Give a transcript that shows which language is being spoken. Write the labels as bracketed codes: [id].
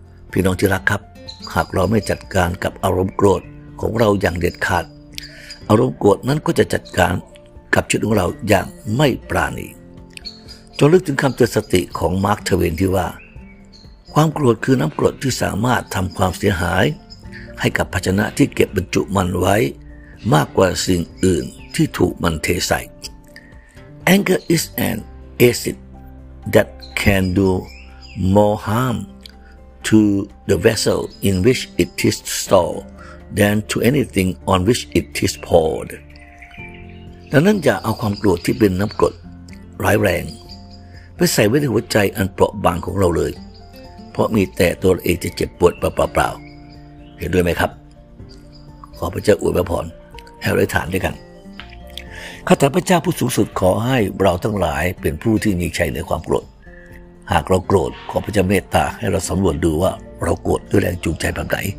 [th] พี่น้องที่รักครับหากเราไม่จัดการกับอารมณ์โกรธของเราอย่างเด็ดขาดอารมณ์โกรธนั้นก็จะจัดการกับชีวิตของเราอย่างไม่ปราณีจงลึกถึงคำเตือนสติของมาร์คทเวนที่ว่าความโกรธคือน้ำกรดที่สามารถทำความเสียหายให้กับภาชนะที่เก็บบรรจุมันไว้มากกว่าสิ่งอื่นที่ถูกมันเทใส่ [en] Anger is an acid that can do more harm to the vessel in which it is stored than to anything on which it is poured. [th] ดังนั้นอย่าเอาความโกรธที่เป็นน้ำกรดร้ายแรงไปใส่ไว้ในหัวใจอันเปราะบางของเราเลยเพราะมีแต่ตัวเองจะเจ็บปวดเปล่าๆเห็นด้วยไหมครับขอพระเจ้าอวยพรให้เราฐานด้วยกันข้าแต่พระเจ้าผู้สูงสุดขอให้เราทั้งหลายเป็นผู้ที่มีชัยเหนือความโกรธหากเราโกรธขอพระเจ้าเมตตาให้เราสำรวจดูว่าเราโกรธด้วยแรงจูงใจแบบไหน